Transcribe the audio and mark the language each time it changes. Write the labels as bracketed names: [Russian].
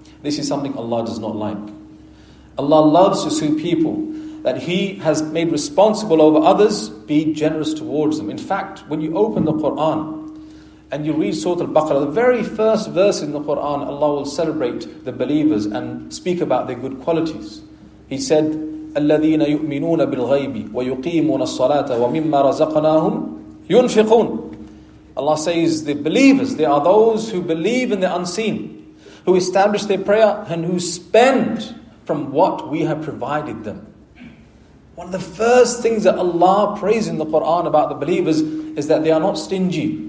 [English] This is something Allah does not like. Allah loves to see people that He has made responsible over others be generous towards them. In fact, when you open the Quran and you read Surah Al-Baqarah, the very first verse in the Quran, Allah will celebrate the believers and speak about their good qualities. He said, [Arabic] "الَّذِينَ يُؤْمِنُونَ بِالْغَيْبِ وَيُقِيمُونَ الصَّلَاةَ وَمِمَّا رَزَقْنَاهُمْ يُنْفِقُونَ." [English] Allah says, the believers, they are those who believe in the unseen, who establish their prayer and who spend from what we have provided them. One of the first things that Allah prays in the Quran about the believers is that they are not stingy